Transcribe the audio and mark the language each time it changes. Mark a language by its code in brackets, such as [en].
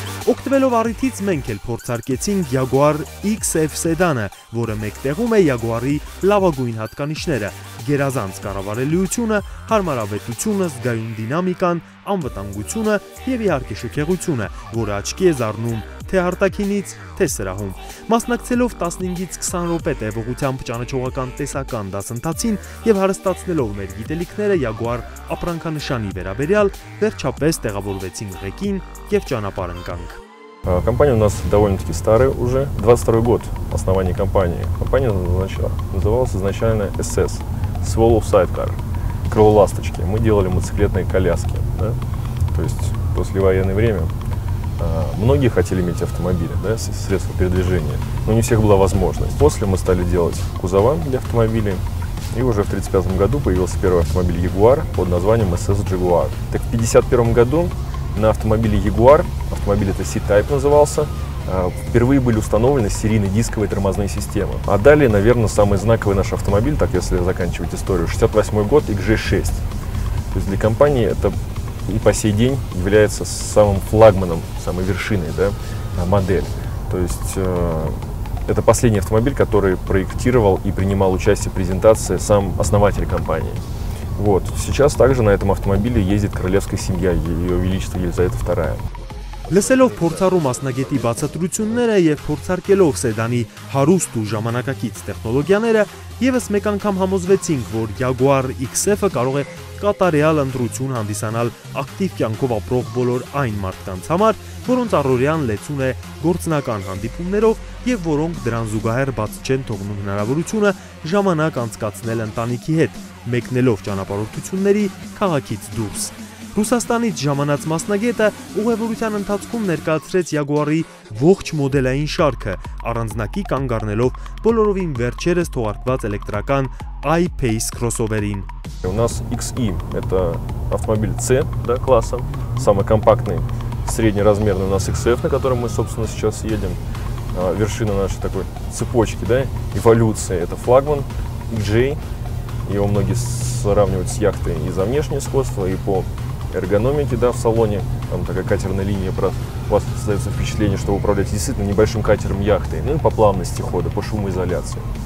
[hy] Օգտվելով առիթից մենք էլ փորձարկեցինք Jaguar XF սեդանը, որը մեկտեղում է Jaguar-ի լավագույն հատկանիշները՝ գերազանց կառավարելիությունը, հարմարավետությունը, զգայուն դինամիկան, անվտանգությունը և իհարկե շքեղությունը, որը աչքի է զառնում թե արտաքինից, թե սրահում։ Մասնակցելով 15-ից 20 րոպե տևողությամբ ճանաչողական տեսական դասընթացին եւ հարստացնելով մեր գիտելիքները Jaguar ապրանքանշանի վերաբերյալ, վերջապես տեղավորվեցին ղեկին եւ ճանապարհ ընկանք։ [ru] Компания у нас довольно-таки старая уже, 22 год основания компании. Компания называлась изначально SS, Swallow Sidecar, крыло ласточки. Мы делали мотоциклетные коляски, да? То есть послевоенное время. Многие хотели иметь автомобили, да, средства передвижения, но не у всех была возможность. После мы стали делать кузова для автомобилей. И уже в 35 году появился первый автомобиль Jaguar под названием SS Jaguar. Так в 51 году на автомобиле Jaguar, автомобиль это C-Type назывался, впервые были установлены серийные дисковые тормозные системы. А далее, наверное, самый знаковый наш автомобиль, так если заканчивать историю, 68 год XG6. То есть для компании это и по сей день является самым флагманом, самой вершиной, да, модель. То есть это последний автомобиль, который проектировал и принимал участие в презентации сам основатель компании. Вот. Сейчас также на этом автомобиле ездит королевская семья, ее величество Елизавета II. [hy] Լսելով փորձառու մասնագետի բացատրությունները եւ փորձարկելով սեդանի հարուստ ու ժամանակակից տեխնոլոգիաները, եւս մեկ անգամ համոզվեցինք, որ Jaguar XF-ը կարող է կատարյալ ընտրություն հանդիսանալ ակտիվ կյանքով ապրող բոլոր այն մարդկանց համար, որոնց առօրյան լեցուն է գործնական հանդիպումներով եւ որոնք դրան զուգահեռ բաց չեն թողնում հնարավորությունը ժամանակ անցկացնել ընտանիքի հետ, մեկնելով ճանապարհորդությունների քաղաքից դուրս։ Ռուսաստանից ժամանած մասնագետը ուղևորության ընթացքում ներկայացրեց Jaguar-ի ողջ մոդելային շարքը, առանձնակի կանգ առնելով բոլորովին վերջերս թողարկված էլեկտրական i-Pace crossover-ին։ [ru] У нас XE это автомобиль C, да, класса, самый компактный, среднеразмерный у нас XF, на котором мы собственно сейчас едем, вершина нашей такой цепочки, да, эволюции, это флагман XJ. Его многие сравнивают с яхтой и за внешнее сходство, и по эргономике, да, в салоне, там такая катерная линия, у вас создается впечатление, что вы управляете действительно небольшим катером яхтой, ну и по плавности хода, по шумоизоляции.